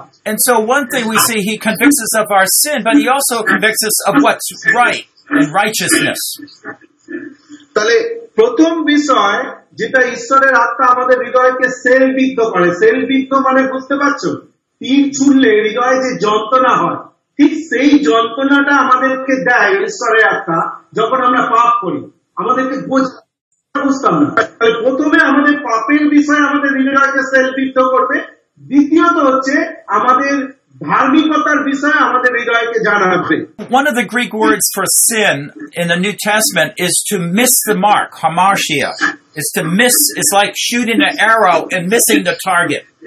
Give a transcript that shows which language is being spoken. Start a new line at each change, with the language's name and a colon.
English: And so one thing we see, he convicts us of our sin, but he also convicts us of what's right and righteousness.
Bangla: তাহলে প্রথম বিষয় যেটা ঈশ্বরের আত্মা আমাদের হৃদয়কে সেলবিদ্ধ করে সেলবিদ্ধ মানে বুঝতে পারছো তীর ছুড়লে হৃদয়ে যে যন্ত্রণা হয় ঠিক সেই যন্ত্রণাটা আমাদেরকে দেয় ঈশ্বরের আত্মা যখন আমরা পাপ করি আমাদেরকে বুঝতাম না তাহলে প্রথমে আমাদের পাপের বিষয় আমাদের হৃদয়কে সেলবিদ্ধ করবে দ্বিতীয়ত হচ্ছে আমাদের ধার্মিকতার বিষয় আমাদের হৃদয়কে জানাবে
English: One of the Greek words for sin in the New Testament is to miss the mark, hamartia. It's to miss, it's like shooting an arrow and missing the target.